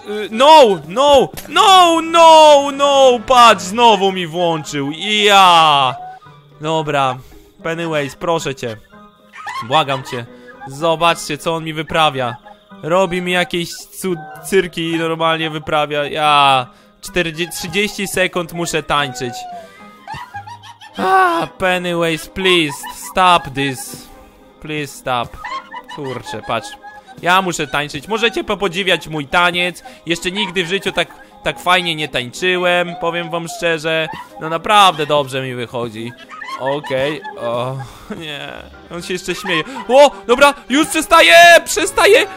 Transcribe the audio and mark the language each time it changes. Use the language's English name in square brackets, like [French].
[Polish] No, no, no, no, no, patrz, znowu mi włączył, ja. Dobra, Pennywise, proszę cię, błagam cię, zobaczcie, co on mi wyprawia. Robi mi jakieś cyrki i normalnie wyprawia, ja. 30 sekund muszę tańczyć. [English] Ah, Pennywise, please, stop this, please stop. [Polish] Kurczę, patrz. Ja muszę tańczyć, możecie popodziwiać mój taniec. Jeszcze nigdy w życiu tak fajnie nie tańczyłem, powiem wam szczerze. No naprawdę dobrze mi wychodzi. Okej, okay. O nie, on się jeszcze śmieje. O, dobra, już przestaje, przestaje.